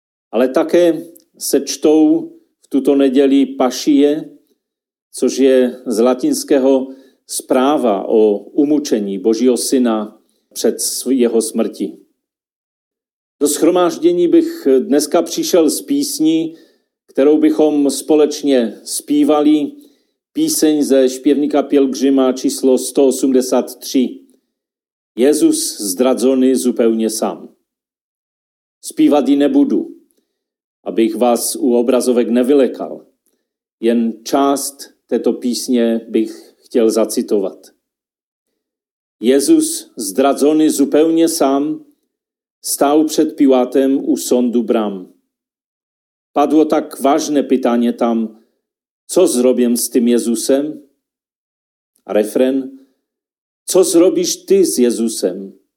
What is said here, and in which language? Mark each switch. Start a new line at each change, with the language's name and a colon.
Czech: Ale také se čtou v tuto neděli pašije, což je z latinského zpráva o umučení Božího syna před jeho smrti. Do shromáždění bych dneska přišel s písní, kterou bychom společně zpívali, píseň ze Špěvníka Pilgrima číslo 183.
Polish: Jezus zdradzony zupełnie sam.
Czech: Zpívat ji nebudu, abych vás u obrazovek nevylekal. Jen část této písně bych chtěl zacitovat.
Polish: Jezus, zdradzony zupełnie sam, stał przed Piłatem u sądu bram. Padło tak ważne pytanie tam, co zrobię z tym Jezusem? Refren, co zrobisz ty z Jezusem?